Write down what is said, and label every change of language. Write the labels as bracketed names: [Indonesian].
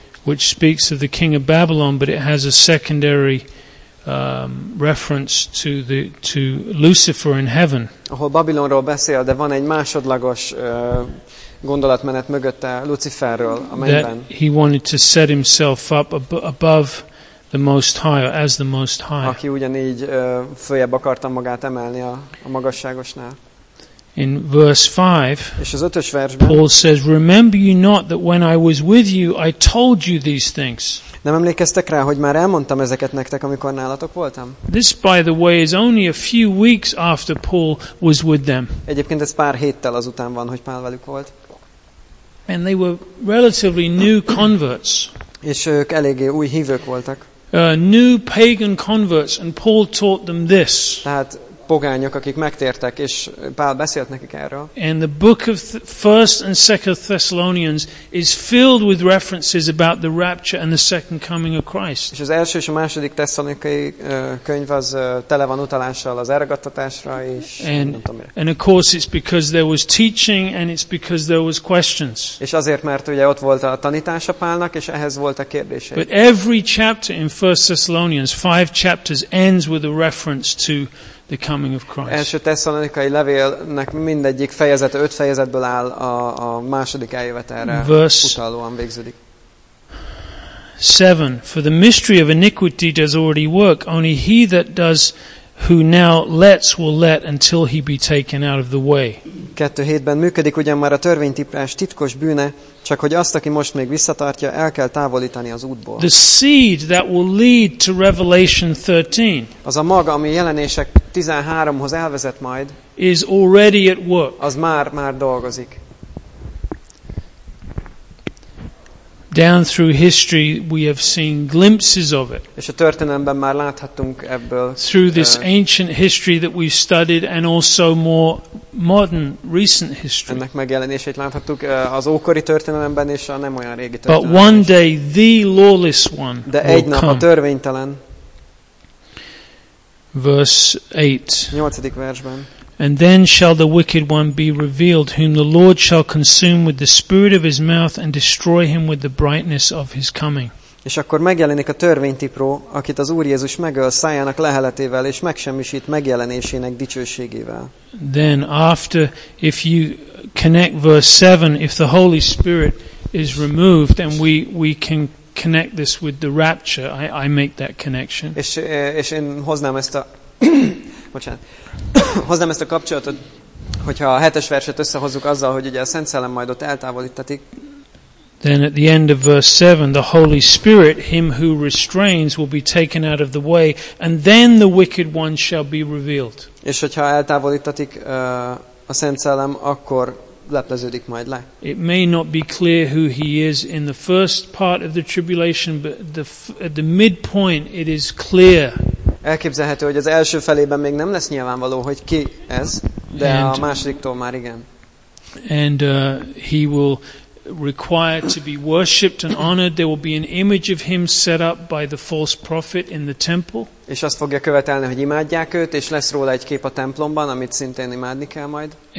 [English] Which speaks of the king of Babylon, but it has a secondary reference to Lucifer in heaven. [Hungarian] Ahol Babilonról beszél, de van egy másodlagos gondolatmenet mögötte Luciferről a mennyben. [English] That he wanted to set himself up above the Most High, as the Most High. [Hungarian] Aki ugyanígy följebb akarta magát emelni a magasságosnál. [English] In verse 5, [Hungarian] és az ötös versben, [English] Paul says, remember you not that when I was with you, I told you these things. [Hungarian] Nem emlékeztek rá, hogy már elmondtam ezeket nektek, amikor nálatok voltam? [English] This, by the way, is only a few weeks after Paul was with them. [Hungarian] Egyébként ez pár héttel azután van, hogy Pál velük volt. [English] And they were relatively new converts. [Hungarian] És ők eléggé új hívők voltak. [English] New pagan converts, and Paul taught them this. [Hungarian] Tehát pogányok, akik megtértek, és Pál beszélt nekik erről. [English] And the book of 1 and 2 Thessalonians is filled with references about the rapture and the second coming of Christ. [Hungarian] És az első és a második tesszalonikai könyv az tele van utalással az elragadtatásra is. [English] And of course it's because there was teaching and it's because there was questions. [Hungarian] És azért, mert ugye ott volt a tanítása Pálnak, és ehhez volt a kérdése. [English] But every chapter in 1 Thessalonians, 5 chapters, ends with a reference to the coming of Christ. [Hungarian] Első tesszalonikai levélnek mindegyik fejezete 5 fejezetből áll, a második eljövetelre utalóan végződik. [English] 7. For the mystery of iniquity does already work, only he that does who now lets will let until he be taken out of the way. [Hungarian] 2:7-ben működik ugyan már a törvénytiprás titkos bűne, csak hogy azt, aki most még visszatartja, el kell távolítani az útból. [English] The seed that will lead to Revelation 13. [Hungarian] Az a mag, ami Jelenések 13-hoz elvezet majd, [English] is already at work. [Hungarian] Az már dolgozik. [English] Down through history we have seen glimpses of it. [Hungarian] És a történelemben már láthattunk ebből. [English] Through this ancient history that we've studied and also more modern recent history. [Hungarian] Ennek megjelenését láthattuk az ókori történelemben és a nem olyan régi történelemben. [English] But one day the lawless one. [Hungarian] De egy nap a törvénytelen. [English] Verse 8. And then shall the wicked one be revealed, whom the Lord shall consume with the spirit of his mouth and destroy him with the brightness of his coming. [Hungarian] És akkor megjelenik a törvénytipró, akit az Úr Jézus megöl szájának leheletével és megsemmisít megjelenésének dicsőségével. [English] Then after, if you connect verse 7, if the Holy Spirit is removed, then we can connect this with the rapture. I make that connection. [Hungarian] És én hoznám ezt a hoznám ezt a kapcsolatot, hogyha a 7. verset összehozzuk azzal, hogy ugye a Szent Szellem majd ott eltávolítatik. [English] Then at the end of verse 7, the Holy Spirit, him who restrains, will be taken out of the way, and then the wicked one shall be revealed. [Hungarian] És hogyha eltávolítatik a Szent Szellem, akkor lepleződik majd le. [English] It may not be clear who he is in the first part of the tribulation, but at the midpoint it is clear. [Hungarian] Elképzelhető, hogy az első felében még nem lesz nyilvánvaló, hogy ki ez, de a másodiktól már igen. [English] And he will require to be worshipped and honored. There will be an image of him set up by the false prophet in the temple. [Hungarian] És azt fogja követelni, hogy imádják őt, és lesz róla egy kép a templomban, amit szintén imádni kell majd.